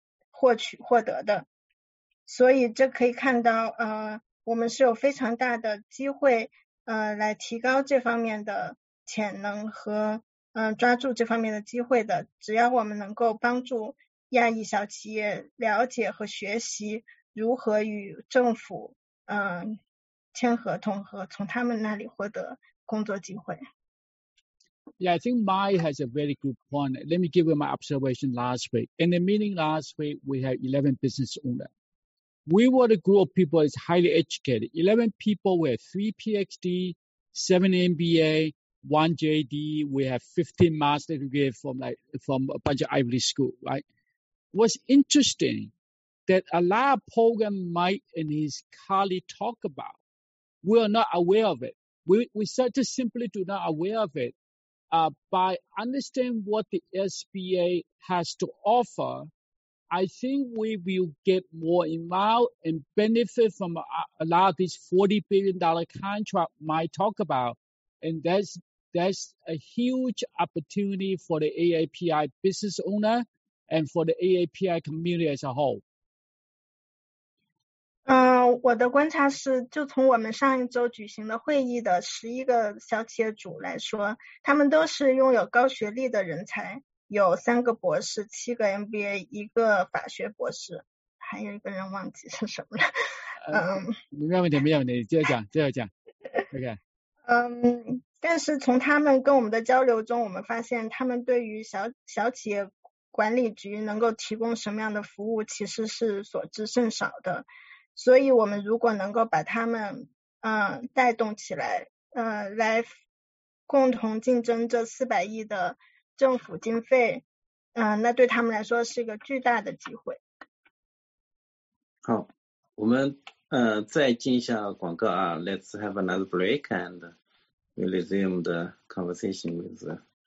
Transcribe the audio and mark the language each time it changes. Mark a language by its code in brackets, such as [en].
[zh] 获得的，所以这可以看到我们是有非常大的机会来提高这方面的潜能和抓住这方面的机会的，只要我们能够帮助亚裔小企业了解和学习如何与政府签合同和从他们那里获得工作机会。 [en] Yeah, I think Mai has a very good point. Let me give you my observation last week. In the meeting last week, we had 11 business owners. We were a group of people that's highly educated. 11 people with 3 PhD, 7 MBA, 1 JD. We have 15 master's degrees from a bunch of Ivy League schools, right? What's interesting that a lot of program Mike and his colleague talk about, we are not aware of it. We start to simply do not aware of it. By understanding what the SBA has to offer, I think we will get more involved and benefit from a lot of these $40 billion contract might talk about. And that's a huge opportunity for the AAPI business owner and for the AAPI community as a whole. [zh] 我的观察是，就从我们上一周举行的会议的11个小企业主来说，他们都是拥有高学历的人才，有3个博士、7个 MBA、1个法学博士，还有一个人忘记是什么了。没有问题，没有问题，接着讲。 [en] OK。 [zh] 但是从他们跟我们的交流中，我们发现他们对于小企业管理局能够提供什么样的服务，其实是所知甚少的。所以我们如果能够把他们带动起来来共同竞争这400亿的政府经费那对他们来说是一个巨大的机会。好，我们再进一下广告啊。 [en] Let's have another break and we resume the conversation with the,